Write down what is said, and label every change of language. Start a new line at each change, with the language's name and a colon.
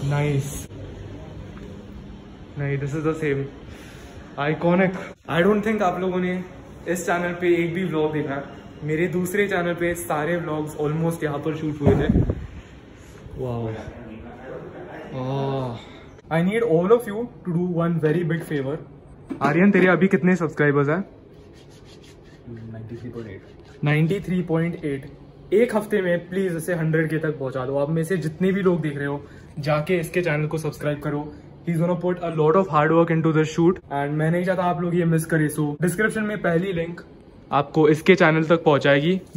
English: Nice.
Hindi: नहीं,
English: this is the same. Iconic. I don't think
Hindi: आप लोगों ने इस चैनल पे एक भी व्लॉग देखा. मेरे दूसरे चैनल पे सारे व्लॉग्स ऑलमोस्ट यहाँ पर शूट हुए थे.
English: Wow. Oh. I need all of you to do one very big favor.
Hindi: Aryan तेरे अभी कितने सब्सक्राइबर्स हैं? 93.8. एक हफ्ते में प्लीज इसे 100K तक पहुंचा दो. आप में से जितने भी लोग देख रहे हो जाके इसके चैनल को सब्सक्राइब करो.
English: He's gonna put a lot of hard work into this shoot and
Hindi: मैं नहीं चाहता आप लोग ये मिस करें. So description में पहली लिंक आपको इसके चैनल तक पहुंचाएगी.